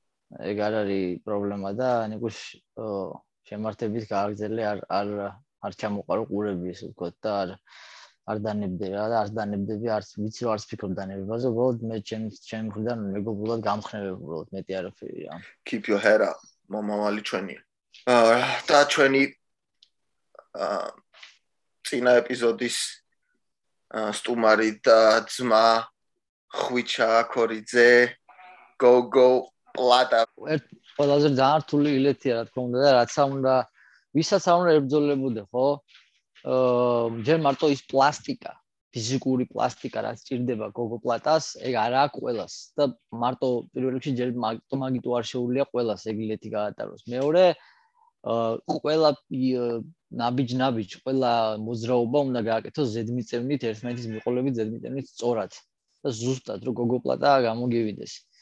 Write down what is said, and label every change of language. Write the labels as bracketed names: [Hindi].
[Georgian] ეგ არ არის პრობლემა და ნიკუშ შემართების გააგზელე არ ჩამოყარო ყურები ესე ვთქვა და არ დანებდე რა, არ დანებდები, არც ვიცი რომ არც ფიქრობ დანებებაზე, უბრალოდ მე ჩემ მხრიდან მეგობრულად გამხნევებ, უბრალოდ მეტი არაფერი რა. [English] Keep your head up. [Georgian] მომავალი ჩვენია. და ჩვენი წინა ეპიზოდის სტუმარი და ძმა ხვიჩა ქორიძე გოგო პლატა ყველაზე ძართული ილეთია რა თქმა უნდა და რაცა უნდა ვისაც უნდა ებრძოლებოდე ხო ჯერ მარტო ის პლასტიკა ფიზიკური პლასტიკა რაც ჭირდება გოგო პლატას ეგ არა აქვს ყველას და მარტო პირველ რიგში ჯერ მაგიტო არ შეუძლია ყველას ეგ ილეთი გაატაროს მეორე ყველა ნაბიჯ-ნაბიჯ ყველა მოძრაობა უნდა გააკეთოს ზედმიწევნით ერთმანეთის მიყოლებით ზედმიწევნით სწორად და ზუსტად რომ გოგო პლატა გამოგივიდეს